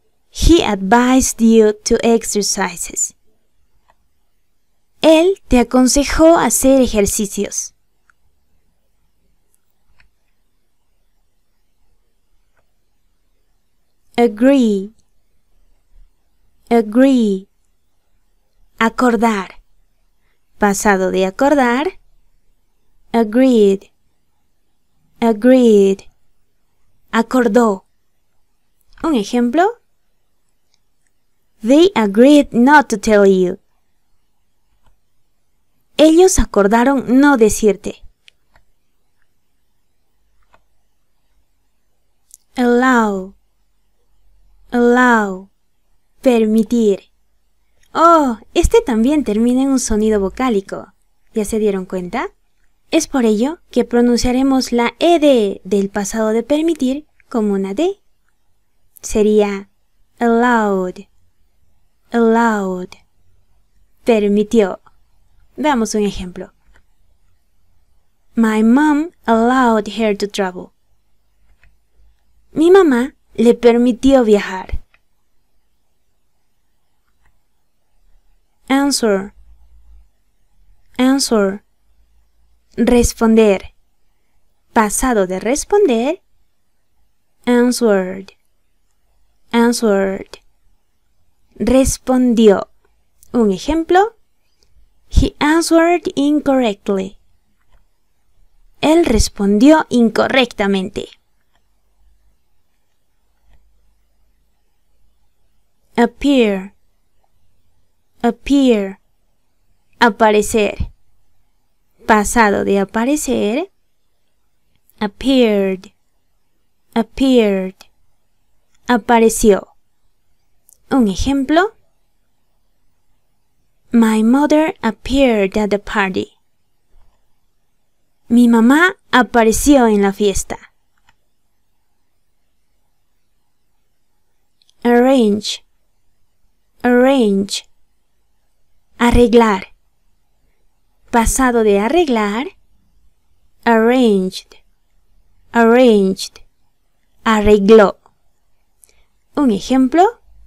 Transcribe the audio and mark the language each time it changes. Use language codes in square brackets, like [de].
[en] He advised you to exercise. [es] Él te aconsejó hacer ejercicios. [en] Agree. Agree. Acordar. [es] Pasado de acordar. Agreed. Agreed. Acordó. Un ejemplo. [en] They agreed not to tell you. [es] Ellos acordaron no decirte. [en] Allow. Allow. Permitir. [es] Oh, este también termina en un sonido vocálico. ¿Ya se dieron cuenta? Es por ello que pronunciaremos la ED del pasado de permitir como una D. Sería allowed. Allowed. Permitió. Veamos un ejemplo. [en] My mom allowed her to travel. [es] Mi mamá le permitió viajar. [en] Answer. Answer. Responder. [es] Pasado de responder. Answered. Answered. Respondió. Un ejemplo. [en] He answered incorrectly. [es] Él respondió incorrectamente. [en] Appear. Appear. Aparecer. [es] Pasado de aparecer. Appeared. Appeared. Apareció. Un ejemplo. [en] My mother appeared at the party. [es] Mi mamá apareció en la fiesta. [en] Arrange. Arrange. Arreglar. [es] Pasado de arreglar. Arranged. Arranged. Arregló. Un ejemplo.